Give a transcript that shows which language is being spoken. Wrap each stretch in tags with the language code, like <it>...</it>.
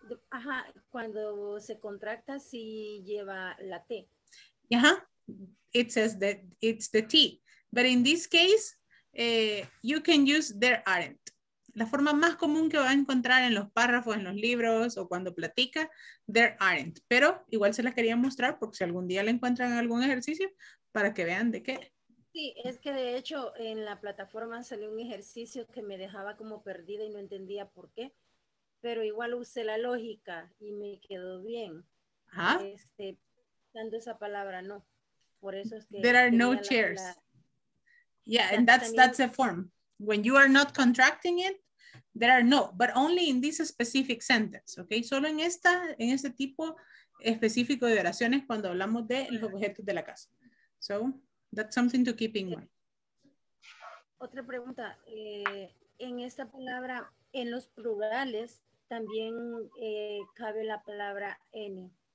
<es>Ajá, cuando se contracta, sí lleva la T.</es> <en>Ajá, it says that it's the T. But in this case, you can use there aren't.</en> <es>La forma más común que va a encontrar en los párrafos, en los libros, o cuando platica,</es> <en>there aren't.</en> <es>Pero igual se las quería mostrar, porque si algún día la encuentran en algún ejercicio, para que vean de qué. Sí, es que de hecho en la plataforma salió un ejercicio que me dejaba como perdida y no entendía por qué, pero igual usé la lógica y me quedó bien. Ajá. Dando esa palabra, no. Por eso es que...</es> <en>There are no chairs. Yeah, and that's a form. When you are not contracting it, there are no, but only in this specific sentence, okay?</en> <es>Solo en este tipo específico de oraciones cuando hablamos de los objetos de la casa.</es> <en>So, that's something to keep in mind.</en> <es>Otra pregunta. En esta palabra, en los plurales, también cabe la palabra any.</es>